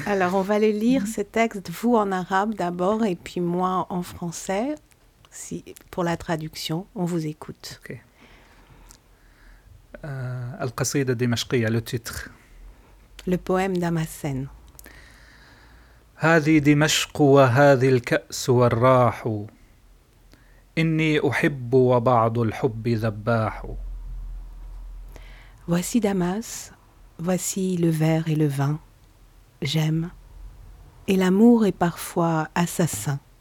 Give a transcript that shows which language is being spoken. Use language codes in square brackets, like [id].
[fr] Alors, on va aller lire ce texte, vous en arabe d'abord, et puis moi en français, si, pour la traduction. On vous écoute. Ok. Al-Qasida Dimashqiya, le titre. Le poème d'Amassène. [ar] هذه دمشق وهذه الكأس والراح إني أحب وبعض الحب ذباح [fr] Voici Damas, voici le verre et le vin. J'aime. Et l'amour est parfois assassin.